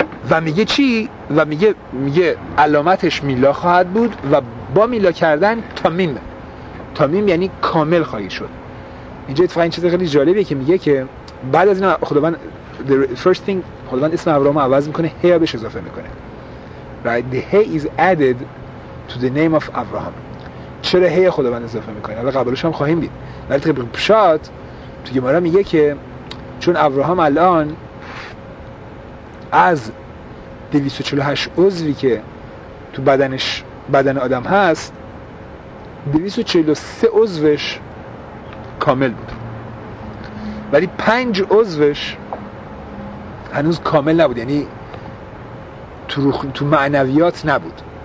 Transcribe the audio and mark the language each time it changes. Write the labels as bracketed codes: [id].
[fa] و میگه چی؟ و میگه علامتش میلا خواهد بود و با میلا کردن تامیم. تامیم یعنی کامل خواهی شد. اینجا اتفاقا این چیز خیلی جالبیه که میگه که بعد از این خداوند [en] the first thing [fa] خداوند اسم ابراهام عوض میکنه، هی بهش اضافه میکنه. [en] Right, the hey is added to the name of Abraham. [fa] چرا هی خداوند اضافه میکنه؟ حالا قبلش هم خواهیم دید. ولی طبق پشات تو گمارا میگه که چون ابراهام الان از 248 عضوی که تو بدنش بدن آدم هست، 243 عضوش کامل بود، ولی 5 عضوش هنوز کامل نبود، یعنی تو معنویات نبود.